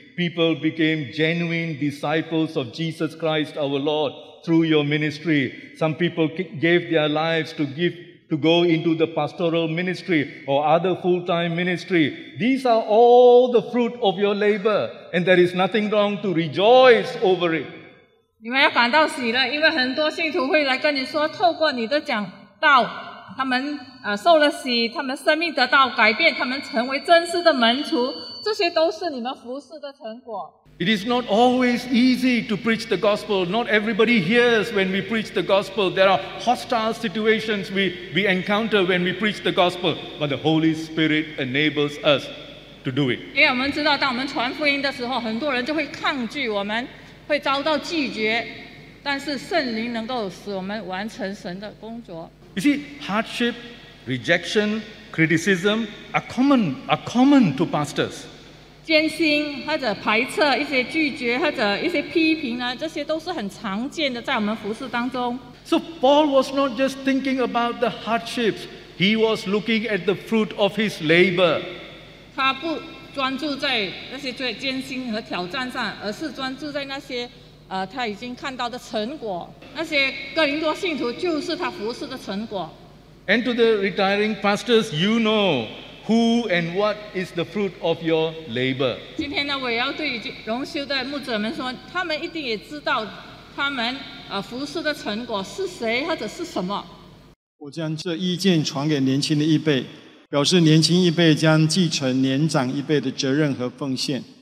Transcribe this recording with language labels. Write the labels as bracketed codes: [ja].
[en] People became genuine disciples of Jesus Christ our Lord through your ministry. Some people gave their lives to go into the pastoral ministry or other full-time ministry. These are all the fruit of your labor, and there is nothing wrong to rejoice over it. [zh] 你们要感到喜乐，因为很多信徒会来跟你说，透过你的讲道，他们受了洗，他们生命得到改变，他们成为真实的门徒，这些都是你们服事的成果。 [en] It is not always easy to preach the gospel. Not everybody hears when we preach the gospel. There are hostile situations we encounter when we preach the gospel. But the Holy Spirit enables us to do it. [zh] 因为我们知道，当我们传福音的时候，很多人就会抗拒我们，会遭到拒绝。但是圣灵能够使我们完成神的工作。 [en] You see, hardship, rejection, criticism are common to pastors. [zh] 艰辛或者排斥一些拒绝或者一些批评呢，这些都是很常见的在我们服事当中。 [en] So Paul was not just thinking about the hardships; he was looking at the fruit of his labor. [zh] 他不专注在那些最艰辛和挑战上，而是专注在那些他已经看到的成果，那些哥林多信徒就是他服事的成果。 [en] And to the retiring pastors, you know who and what is the fruit of your labor. [zh] 今天呢，我也要对荣休的牧者们说，他们一定也知道他们服事的成果是谁或者是什么。我将这意见传给年轻的一辈，表示年轻一辈将继承年长一辈的责任和奉献。